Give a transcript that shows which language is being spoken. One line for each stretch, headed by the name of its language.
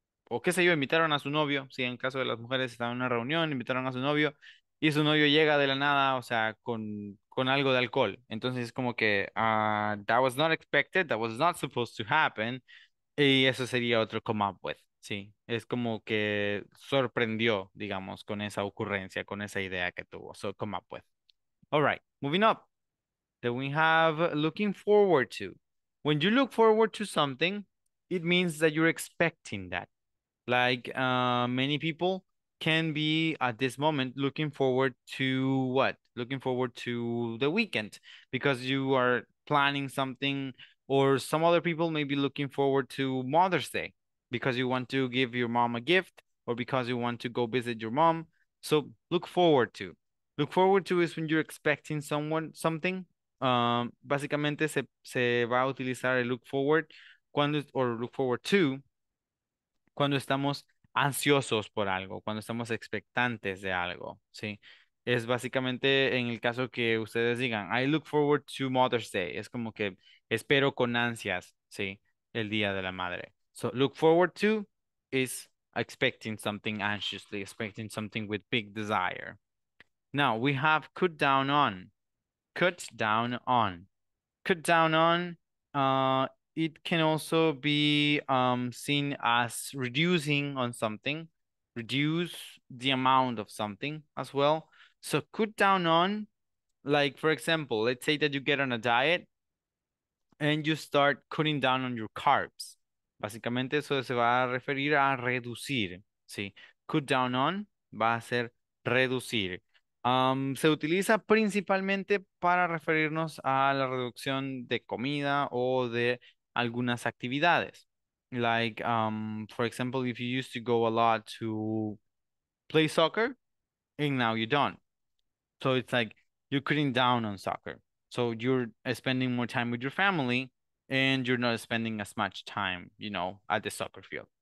Spanish: O qué sé yo, invitaron a su novio. Sí, en caso de las mujeres estaban en una reunión, invitaron a su novio. Y su novio llega de la nada, o sea, con algo de alcohol. Entonces es como que,
English: that was not expected, that was not supposed to happen.
Spanish: Y eso sería otro come up with, ¿sí? Es como que sorprendió, digamos, con esa ocurrencia, con esa idea que tuvo.
English: So, come up with. All right, moving up. Then we have looking forward to. When you look forward to something, it means that you're expecting that. Like many people can be at this moment looking forward to what? Looking forward to the weekend because you are planning something, or some other people may be looking forward to Mother's Day because you want to give your mom a gift or because you want to go visit your mom. So look forward to. Look forward to is when you're expecting someone something.
Spanish: Básicamente se va a utilizar el look forward cuando,
English: or look forward to,
Spanish: cuando estamos ansiosos por algo, cuando estamos expectantes de algo, ¿sí? Es básicamente en el caso que ustedes digan,
English: I look forward to Mother's Day.
Spanish: Es como que espero con ansias, ¿sí? El Día de la Madre.
English: So, look forward to is expecting something anxiously, expecting something with big desire. Now, we have cut down on. Cut down on. Cut down on, it can also be seen as reducing on something. Reduce the amount of something as well. So cut down on, like for example, let's say that you get on a diet and you start cutting down on your carbs.
Spanish: Básicamente eso se va a referir a reducir, ¿sí? Cut down on va a ser reducir. Se utiliza principalmente para referirnos a la reducción de comida o de algunas actividades.
English: Like, for example, if you used to go a lot to play soccer and now you don't. So it's like you're cutting down on soccer. So you're spending more time with your family and you're not spending as much time, you know, at the soccer field.